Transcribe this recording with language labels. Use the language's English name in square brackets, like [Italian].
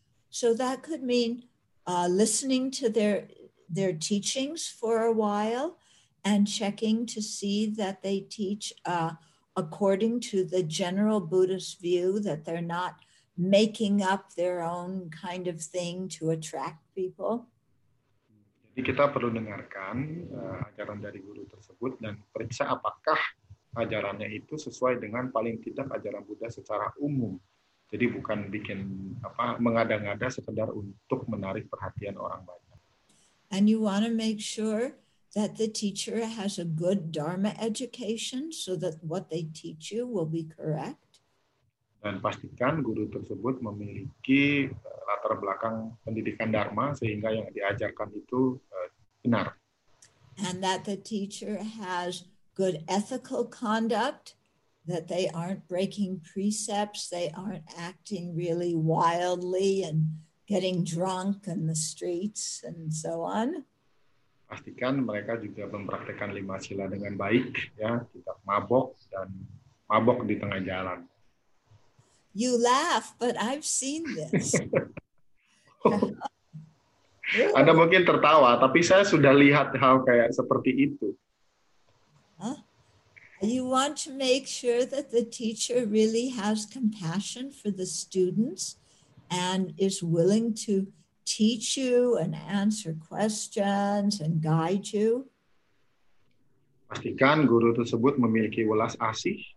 [English] So that could mean listening to their teachings for a while and checking to see that they teach according to the general Buddhist view, that they're not making up their own kind of thing to attract people. [Indonesian] Jadi kita perlu dengarkan ajaran dari guru tersebut dan periksa apakah ajarannya itu sesuai dengan paling tidak ajaran Buddha secara umum. Jadi bukan bikin mengada-ngada sekedar untuk menarik perhatian orang banyak. [English] And you want to make sure that the teacher has a good dharma education so that what they teach you will be correct. [Indonesian] Dan pastikan guru tersebut memiliki latar belakang pendidikan dharma sehingga yang diajarkan itu benar. [English] And that the teacher has good ethical conduct, that they aren't breaking precepts, they aren't acting really wildly and getting drunk in the streets and so on. [Indonesian] Pastikan mereka juga mempraktikkan lima sila dengan baik, ya, tidak mabok dan mabok di tengah jalan. [English] You laugh, but I've seen this. [Indonesian] Anda mungkin tertawa, tapi saya sudah lihat hal kayak seperti itu. Huh? [English] You want to make sure that the teacher really has compassion for the students and is willing to teach you and answer questions and guide you. [Indonesian] Pastikan guru tersebut memiliki welas asih.